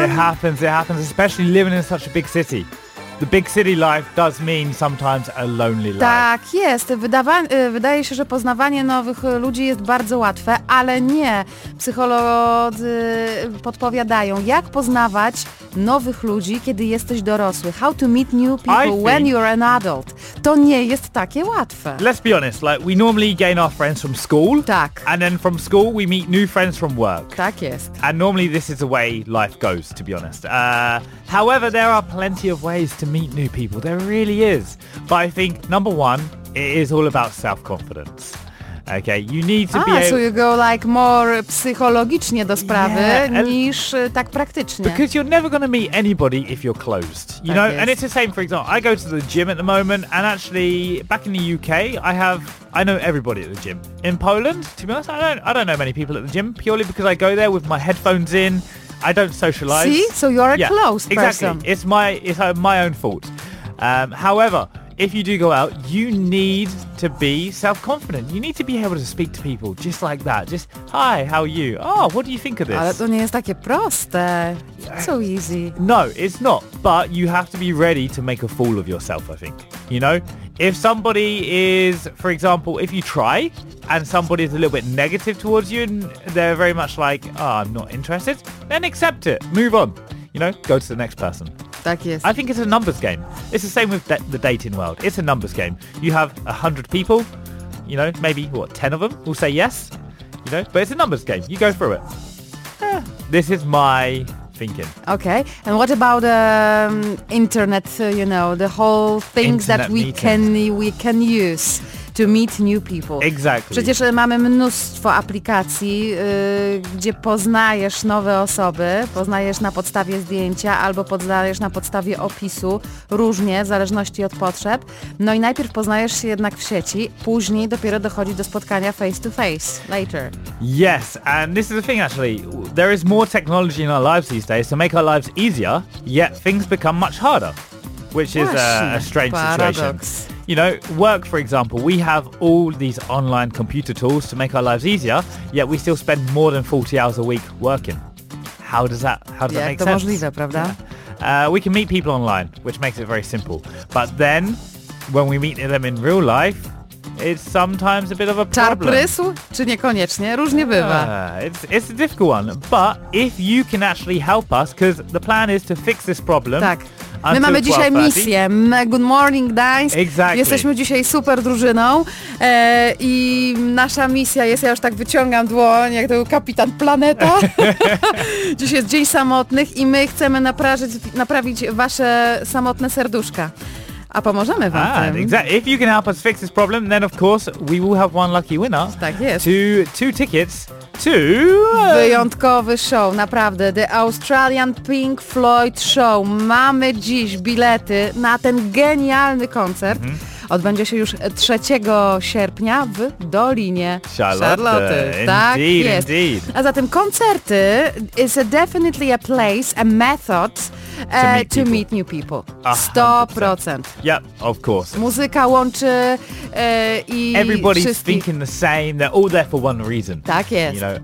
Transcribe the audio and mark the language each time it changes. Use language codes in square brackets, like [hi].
[en] It happens, especially living in such a big city. The big city life does mean sometimes a lonely life. [pl] Tak, jest. Wydaje się, że poznawanie nowych ludzi jest bardzo łatwe, ale nie. Psycholodzy podpowiadają, jak poznawać nowych ludzi, kiedy jesteś dorosły. [en] How to meet new people when you're an adult. [pl] To nie jest takie łatwe. [en] Let's be honest, like we normally gain our friends from school. [pl] Tak. [en] And then from school we meet new friends from work. [pl] Tak jest. [en] And normally this is the way life goes, to be honest. However, there are plenty of ways to meet new people. There really is. But I think, number one, it is all about self-confidence. Okay, you need to be able... So you go like more [pl] psychologicznie do sprawy niż tak praktycznie. [en] Because you're never going to meet anybody if you're closed. You [pl] tak [en] know, [pl] jest. [en] And it's the same, for example, I go to the gym at the moment, and actually, back in the UK, I know everybody at the gym. In Poland, to be honest, I don't know many people at the gym, purely because I go there with my headphones in, I don't socialize. See? So you're a closed exactly. person. Exactly. It's my own fault. However, if you do go out, you need to be self-confident. You need to be able to speak to people just like that. Just, hi, how are you? Oh, what do you think of this? [pl] Ale to nie jest takie proste. [en] So easy. No, it's not. But you have to be ready to make a fool of yourself, I think. You know? If somebody is, for example, if you try and somebody is a little bit negative towards you and they're very much like, oh, I'm not interested, then accept it. Move on. You know, go to the next person. [pl] Tak jest. [en] I think it's a numbers game. It's the same with the dating world. It's a numbers game. You have 100 people, you know, maybe, what, 10 of them will say yes, you know, but it's a numbers game. You go through it. This is my thinking. Okay. And what about internet, you know, the whole things internet that we can use to meet new people. Exactly. [pl] Przecież mamy mnóstwo aplikacji, gdzie poznajesz nowe osoby, poznajesz na podstawie zdjęcia albo poznajesz na podstawie opisu, różnie, w zależności od potrzeb. No i najpierw poznajesz się jednak w sieci, później dopiero dochodzi do spotkania [en] face to face, later. Yes, and this is the thing actually, there is more technology in our lives these days to make our lives easier, yet things become much harder, which is a strange paradox. Situation. You know, work, for example, we have all these online computer tools to make our lives easier, yet we still spend more than 40 hours a week working. How does that make sense? [pl] Jak to możliwe, prawda? [en] We can meet people online, which makes it very simple. But then, when we meet them in real life, it's sometimes a bit of a problem. [pl] Czar prysł? Czy niekoniecznie? Różnie bywa. [en] It's a difficult one. But if you can actually help us, because the plan is to fix this problem. [pl] Tak. My mamy dzisiaj misję. [en] Good morning, Dice. Exactly. [pl] Jesteśmy dzisiaj super drużyną i nasza misja jest, ja już tak wyciągam dłoń, jak to był kapitan planeta. Dziś jest dzień samotnych i my chcemy naprawić wasze samotne serduszka. A pomożemy wam tym. [en] Exactly. If you can help us fix this problem, then of course we will have one lucky winner. [pl] Tak jest. [en] Two tickets. To... [pl] Wyjątkowy show, naprawdę. [en] The Australian Pink Floyd Show. [pl] Mamy dziś bilety na ten genialny koncert. Mm-hmm. Odbędzie się już 3 sierpnia w Dolinie Charlotte. Tak [en] indeed, [pl] jest. [en] Indeed. [pl] A zatem koncerty [en] is definitely a place, a method to meet new people. 100%. Yep, of course. [pl] Muzyka łączy i [en] everybody's [pl] wszystkich. [en] Thinking the same, they're all there for one reason. [pl] Tak jest. [en] You know,